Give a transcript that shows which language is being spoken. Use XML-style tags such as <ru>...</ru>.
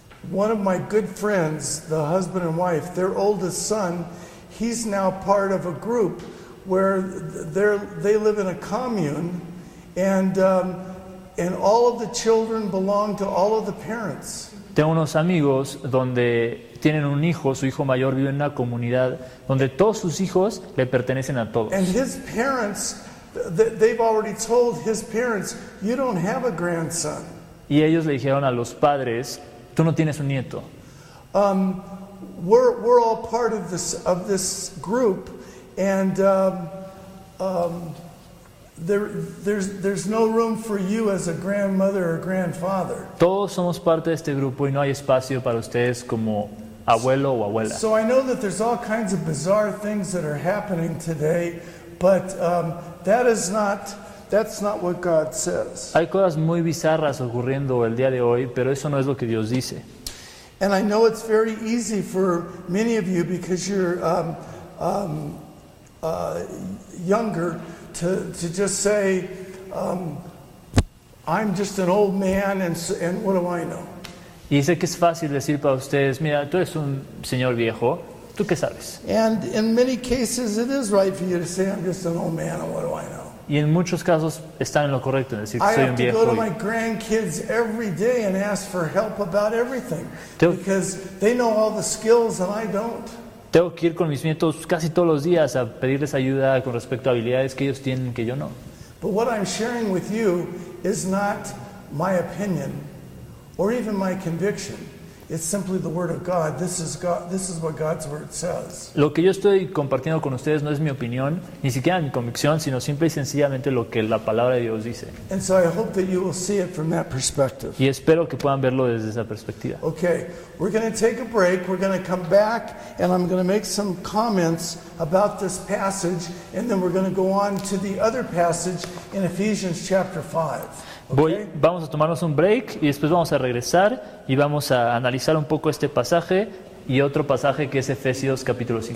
<en>One of my good friends, the husband and wife, their oldest son, he's now part of a group where they live in a commune, and all of the children belong to all of the parents.</en> <es>Tengo unos amigos donde tienen un hijo, su hijo mayor vive en una comunidad donde todos sus hijos le pertenecen a todos.</es> <en>And his parents, they've already told his parents, you don't have a grandson.</en> <es>Y ellos le dijeron a los padres, tú no tienes un nieto.</es> <en>We're all part of this group. And there's no room for you as a grandmother or grandfather.</en> <es>Todos somos parte de este grupo y no hay espacio para ustedes como abuelo o abuela.</es> <en>So I know that there's all kinds of bizarre things that are happening today, but that's not what God says.</en> <es>Hay cosas muy bizarras ocurriendo el día de hoy, pero eso no es lo que Dios dice.</es> <en>And I know it's very easy for many of you because you're younger to just say I'm just an old man and what do I know?</en> <es>Y sé que es fácil decir para ustedes, mira, tú eres un señor viejo, ¿tú qué sabes?</es> <en>And in many cases it is right for you to say I'm just an old man and what do I know?</en> <es>Y en muchos casos están en lo correcto en decir que soy un viejo.</es> <en>I have to go to my grandkids every day and ask for help about everything because they know all the skills and I don't.</en> <es>Tengo que ir con mis nietos casi todos los días a pedirles ayuda con respecto a habilidades que ellos tienen que yo no.</es> <en>But what I'm sharing with you is not my opinion or even my conviction. It's simply the word of God. This is God. This is what God's word says.</en> <es>Lo que yo estoy compartiendo con ustedes no es mi opinión, ni siquiera mi convicción, sino simple y sencillamente lo que la palabra de Dios dice.</es> <en>And so I hope that you will see it from that perspective.</en> <es>Y espero que puedan verlo desde esa perspectiva.</es> <en>Okay, we're going to take a break. We're going to come back, and I'm going to make some comments about this passage, and then we're going to go on to the other passage in Ephesians chapter 5.</en> <es>Vamos a tomarnos un break y después vamos a regresar y vamos a analizar un poco este pasaje y otro pasaje que es Efesios capítulo 5.</es>